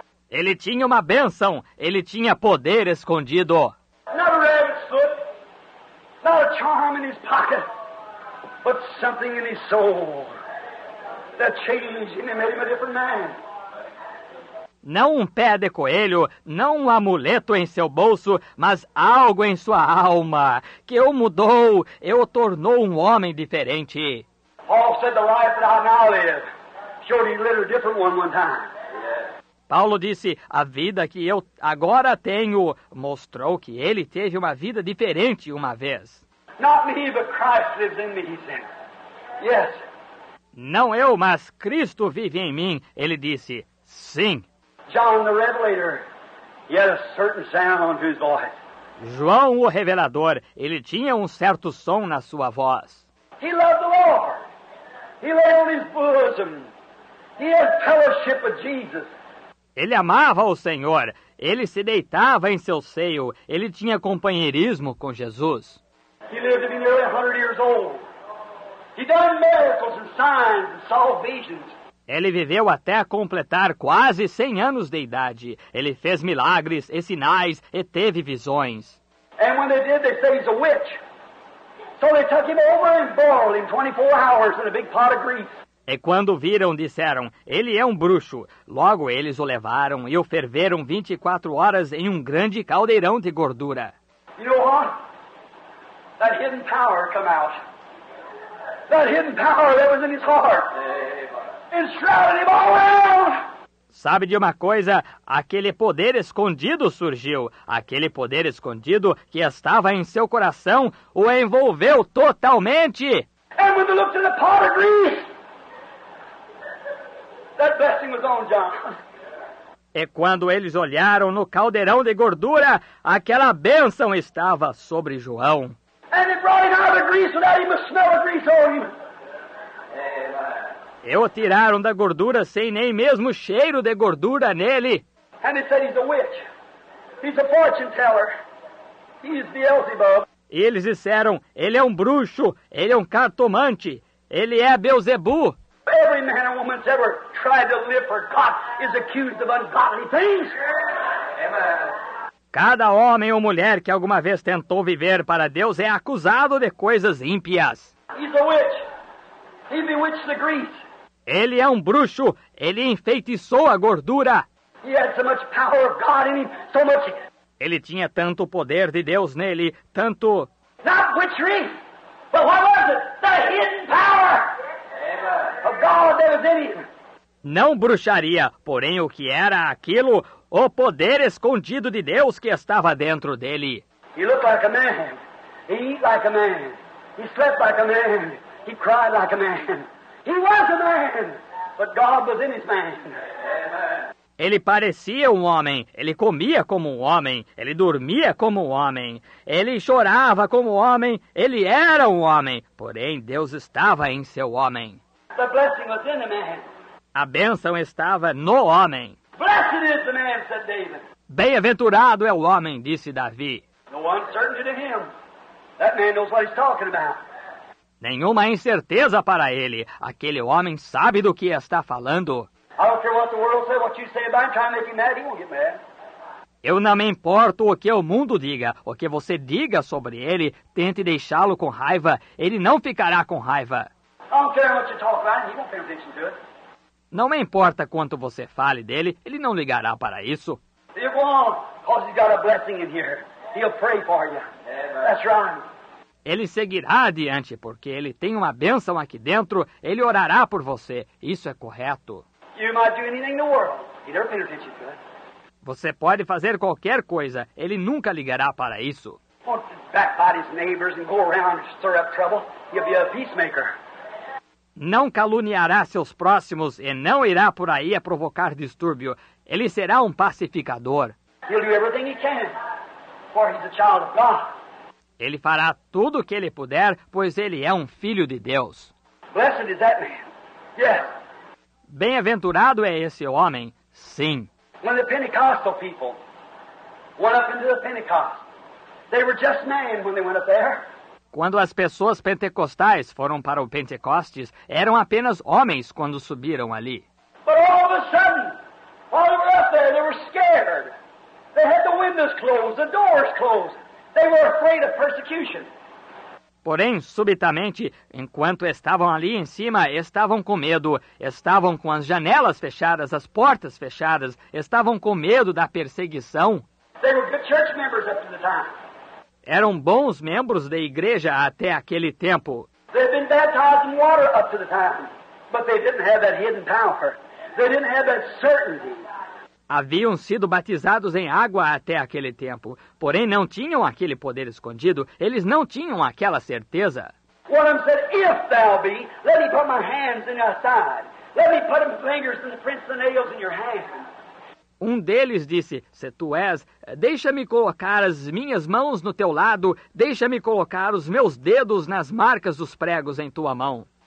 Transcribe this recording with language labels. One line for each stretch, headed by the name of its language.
Portuguese: Ele tinha uma bênção. Ele tinha poder escondido.
English: Not a rabbit's foot. Not a charm in his pocket. But something in his soul that changed him and made him a different man.
Portuguese: Não um pé de coelho, não um amuleto em seu bolso, mas algo em sua alma que o mudou, e o tornou um homem diferente.
English: Paul said the life that I now live showed he led a different one time.
Portuguese: Paulo disse, a vida que eu agora tenho mostrou que ele teve uma vida diferente uma vez.
English: Not me, but Christ lives in me, he said. Yes.
Portuguese: Não eu, mas Cristo vive em mim, ele disse. Sim.
English: John the Revelator, he had a certain sound to his voice.
Portuguese: João o Revelador, ele tinha um certo som na sua voz.
English: He loved the Lord. He lay on his bosom. He had fellowship with Jesus.
Portuguese: Ele amava o Senhor. Ele se deitava em seu seio. Ele tinha companheirismo com Jesus.
English: He lived to be nearly 100 years old. He done miracles and signs and saw visions.
Portuguese: Ele viveu até completar quase 100 anos de idade. Ele fez milagres e sinais e teve visões.
English: And when they did, they say he's a witch. So they took him over and boiled him 24 hours in a big pot of grease.
Portuguese: E quando viram, disseram, ele é um bruxo. Logo eles o levaram e o ferveram 24 horas em um grande caldeirão de gordura.
English: You know what? That hidden power come out. That hidden power that was in his heart. It shrouded him all around.
Portuguese: Sabe de uma coisa? Aquele poder escondido surgiu. Aquele poder escondido que estava em seu coração o envolveu totalmente.
English: And when they looked at the pot of grease, that blessing was on John.
Portuguese: E quando eles olharam no caldeirão de gordura, aquela bênção estava sobre João.
English: And they brought him out of the grease without even a smell of grease on him. Amen.
Portuguese: E o tiraram da gordura sem nem mesmo cheiro de gordura nele.
English: And they said he's a witch. He's a fortune teller. He's the Beelzebub.
Portuguese: E eles disseram, ele é um bruxo, ele é um cartomante, ele é Beelzebu.
English: Every man and woman that's ever tried to live for God is accused of ungodly things. Amen.
Portuguese: Cada homem ou mulher que alguma vez tentou viver para Deus é acusado de coisas ímpias.
English: He's a witch. He bewitched the grease.
Portuguese: Ele é um bruxo. Ele enfeitiçou a gordura.
English: He had so much power of God in him, so much.
Portuguese: Ele tinha tanto poder de Deus nele, tanto.
English: Not witchery, but what was it? The hidden power of God that was in him.
Portuguese: Não bruxaria, porém o que era aquilo, o poder escondido de Deus que estava dentro dele.
English: He looked like a man. He ate like a man. He slept like a man. He cried like a man. He was a man, but God was in his man. Amen.
Portuguese: Ele parecia um homem, ele comia como um homem, ele dormia como um homem, ele chorava como um homem, ele era um homem, porém Deus estava em seu homem.
English: The blessing was in the man.
Portuguese: A bênção estava no homem.
English: Blessed is the man, said David.
Portuguese: Bem-aventurado é o homem, disse Davi.
English: No uncertainty to him. That man knows what he's talking about.
Portuguese: Nenhuma incerteza para ele. Aquele homem sabe do que está falando.
English: I don't care what the world says, what you say about him, try and make him mad, he won't get mad.
Portuguese: Eu não me importo o que o mundo diga, o que você diga sobre ele, tente deixá-lo com raiva, ele não ficará com raiva.
English: I don't care what you talk about him, he won't pay attention to it.
Portuguese: Não me importa quanto você fale dele, ele não ligará para isso.
English: He'll go on, because he's got a blessing in here. He'll pray for you. Amen. That's right.
Portuguese: Ele seguirá adiante, porque ele tem uma bênção aqui dentro, ele orará por você. Isso é correto.
English: You might do anything in the world. He never paid attention to it.
Portuguese: Você pode fazer qualquer coisa, ele nunca ligará para isso.
English: He'll backbite his neighbors and go around and stir up trouble. He'll be a peacemaker.
Portuguese: Não caluniará seus próximos e não irá por aí a provocar distúrbio. Ele será um pacificador.
English: He'll do everything he can, for he's a child of God.
Portuguese: Ele fará tudo o que ele puder, pois ele é um filho de Deus.
English: Blessed is that man. Yes.
Portuguese: Bem-aventurado é esse homem. Sim.
English: When the Pentecostal people went up into the Pentecost, they were just men when they went up there.
Portuguese: Quando as pessoas pentecostais foram para o Pentecostes, eram apenas homens quando subiram ali.
English: But all of a sudden, while they were up there, they were scared. They had the windows closed, the doors closed. They were afraid of persecution.
Portuguese: Porém, subitamente, enquanto estavam ali em cima, estavam com medo. Estavam com as janelas fechadas, as portas fechadas. Estavam com medo da perseguição.
English: They were good church members up to the time.
Portuguese: Eram bons membros da igreja até aquele tempo.
English: They had been baptized in water up to the time, but they didn't have that hidden power. They didn't have that certainty.
Portuguese: Haviam sido batizados em água até aquele tempo, porém não tinham aquele poder escondido, eles não tinham aquela certeza.
English: One of them said, if thou be, let me put my hands in thy side. Let me put my fingers in the prints of the nails in your hand.
Portuguese: Um deles disse, se tu és, deixa-me colocar as minhas mãos no teu lado, deixa-me colocar os meus dedos nas marcas dos pregos em tua mão.